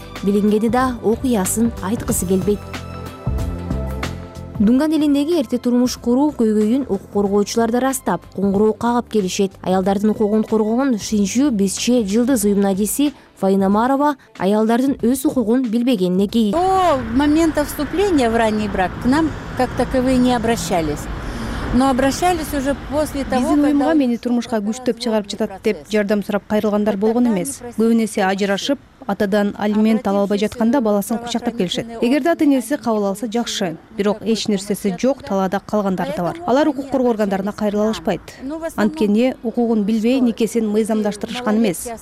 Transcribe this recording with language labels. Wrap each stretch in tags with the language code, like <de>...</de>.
<ky>Билингени да окуясын айткысы келбейт. Дунган элиндеги эрте турмуш куруу көйгөйүн укук коргоочулар да ырастап, коңгуроо кагып келишет. Аялдардын укугун коргогон Шинжүү Бизче Жылдыз уюмунун адиси Фаина Марова аялдардын өз укугун билбегенине кейи.</ky> <ru>До момента вступления в ранний брак к нам как таковые не обращались. Но обращались уже после того,</ru> <ky>биздин уюмга мени турмушка күчтөп чыгарып жатат деп жардам сурап кайрылгандар болгон эмес. Көбүнесе ажырашып, атадан алимент ала албай жатканда баласын кучактап келишет. Эгерде ата-энеси кабыл алса жакшы, бирок эч нерсеси жок талаада калгандар да бар. Алар укук коргоо органдарына кайрылышпайт. Анткени укугун билбей никесин мыйзамдаштырышкан эмес.</ky>